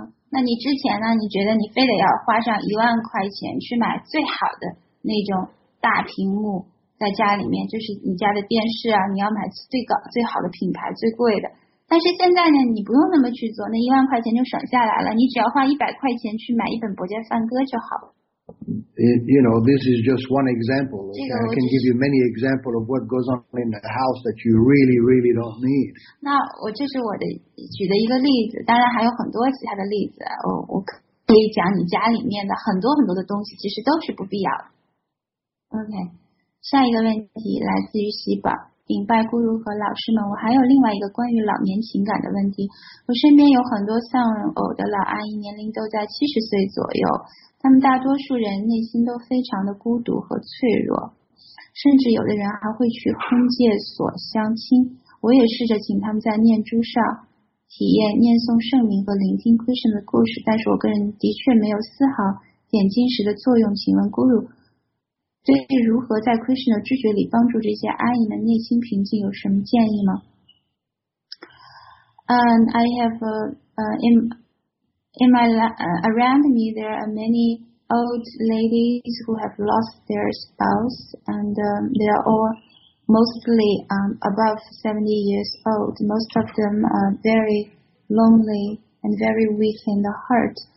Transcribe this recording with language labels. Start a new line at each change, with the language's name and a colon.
Chinese: 那你之前呢？你觉得你非得要花上10,000块钱去买最好的那种大屏幕，在家里面，就是你家的电视啊，你要买最好的品牌、最贵的。但是现在呢，你不用那么去做，那10,000块钱就省下来了。你只要花100块钱去买一本《博家梵歌》就好了。
English: you know, this is just one example. Okay? I can give you many examples of what goes on in the house that you really, really don't need.
Chinese: 那我这是我的举的一个例子，当然还有很多其他的例子。我可以讲你家里面的很多很多的东西，其实都是不必要的。 OK， 下一个问题来自于喜宝。明白，孤独和老师们，我还有另外一个关于老年情感的问题。我身边有很多丧偶的老阿姨，年龄都在70岁左右，他们大多数人内心都非常的孤独和脆弱，甚至有的人还会去婚介所相亲。我也试着请他们在念珠上体验念诵圣名和聆听 Krishna 的故事，但是我个人的确没有丝毫点金石的作用。请问孤独对如何在 Krishna 的知觉里帮助这些阿姨们内心平静有什么建议吗？
English: I have around me there are many old ladies who have lost their spouse and they are all mostly above 70 years old. Most of them are very lonely and very weak in the heart.